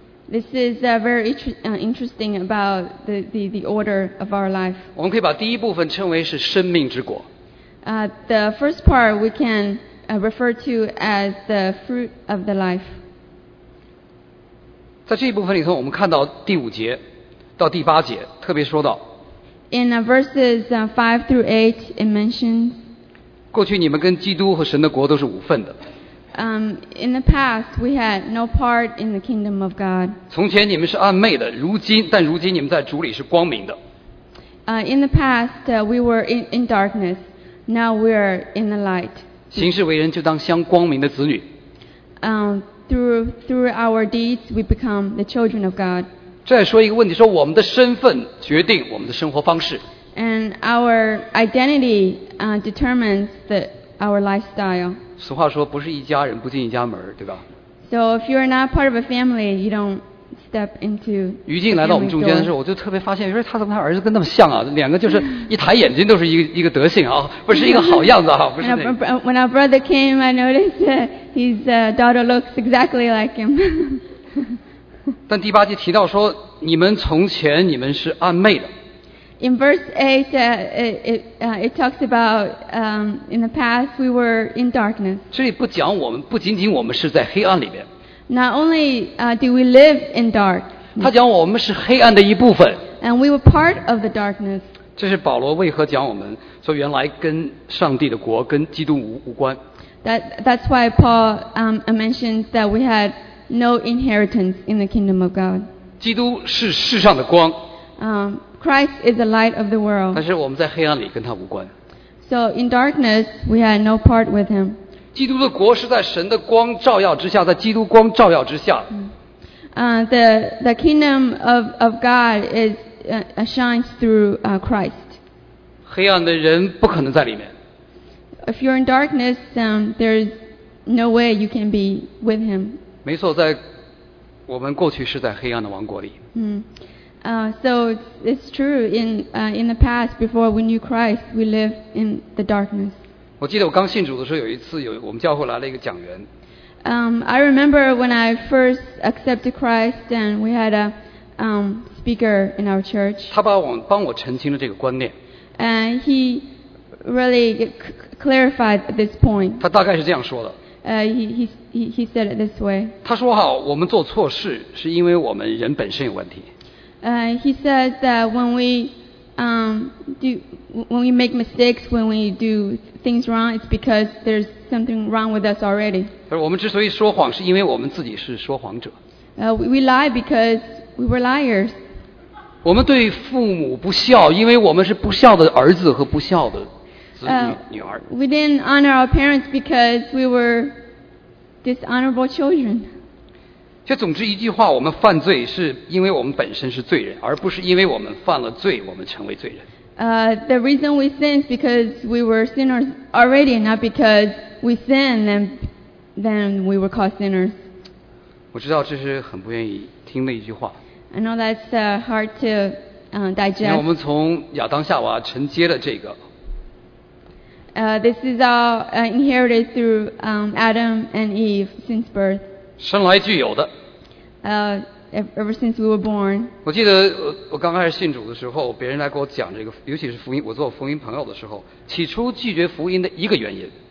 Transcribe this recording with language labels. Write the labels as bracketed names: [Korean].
[English] This is very interesting about the order of our life. [Chinese] 我们可以把第一部分称为是生命之果。 [English] The first part we can refer to as the fruit of the life. [Chinese] 在这一部分里头，我们看到第五节到第八节特别说到。 [English] In verses 5 through 8, it mentions. [Chinese] 过去你们跟基督和神的国都是无份的。 [English] in the past we had no part in the kingdom of God. [Chinese] 从前你们是暗昧的，如今，但如今你们在主里是光明的。 [English] In the past we were in darkness, now we are in the light. [Chinese] 行事为人就当像光明的子女。 [English] Through our deeds we become the children of God. [Chinese] 再说一个问题，说我们的身份决定我们的生活方式。 [English] And our identity determines our lifestyle. [Chinese] 俗话说，不是一家人不进一家门，对吧？ [English] So if you are not part of a family, you don't step into. [Chinese] 于静来到我们中间的时候，我就特别发现，说他怎么他儿子跟那么像啊？两个就是一抬眼睛都是一个德性啊，不是一个好样子啊，不是那个。 [English] When our brother came, I noticed that his daughter looks exactly like him. [Chinese] 但第八节提到说，你们从前你们是暗昧的。 [English] In verse 8, it talks about in the past we were in darkness. [Chinese] 这里不讲我们，不仅仅我们是在黑暗里面。 [English] Not only do we live in dark. [Chinese] 他讲我们是黑暗的一部分。 [English] And we were part of the darkness. [Chinese] 这是保罗为何讲我们说原来跟上帝的国跟基督无关。 [English] That's why Paul mentions that we had no inheritance in the kingdom of God. [Chinese] 基督是世上的光。 [English] Christ is the light of the world. [Chinese] 但是我们在黑暗里跟他无关。 [English] So in darkness, we had no part with him. [Chinese] 基督的国是在神的光照耀之下，在基督光照耀之下。 [English] The kingdom of God is shines through Christ. [Chinese] 黑暗的人不可能在里面。 [English] If you're in darkness, there's no way you can be with him. [Chinese] 没错，在我们过去是在黑暗的王国里。 [English] So it's true. In the past, before we knew Christ, we live in the darkness. [Chinese] 我记得我刚信主的时候，有一次有我们教会来了一个讲员。 [English] I remember when I first accepted Christ, and we had a speaker in our church. [Chinese] 他帮我澄清了这个观念。 [English] And he really clarified this point. [Chinese] 他大概是这样说的。 [English] He said it this way. [Chinese] 他说哈，我们做错事是因为我们人本身有问题。 [English] He says that when we when we make mistakes, when we do things wrong, it's because there's something wrong with us already. [Chinese] 我们之所以说谎，是因为我们自己是说谎者。 [English] We lie because we were liars. [Chinese] 我们对父母不孝，因为我们是不孝的儿子和不孝的女儿。 [English] We didn't honor our parents because we were dishonorable children. [Chinese] 就总之一句话，我们犯罪是因为我们本身是罪人，而不是因为我们犯了罪，我们成为罪人。 [English] The reason we sin is because we were sinners already, not because we sinned and then we were called sinners. [Chinese] 我知道这是很不愿意听的一句话。 [English] I know that's hard to digest. [Chinese] 因为我们从亚当夏娃承接了这个。 [English] This is all inherited through Adam and Eve since birth. [Chinese] 生来具有的。 [English] Ever since we were born. [Chinese] 我记得我刚开始信主的时候，别人来给我讲这个，尤其是福音，我做福音朋友的时候，起初拒绝福音的一个原因。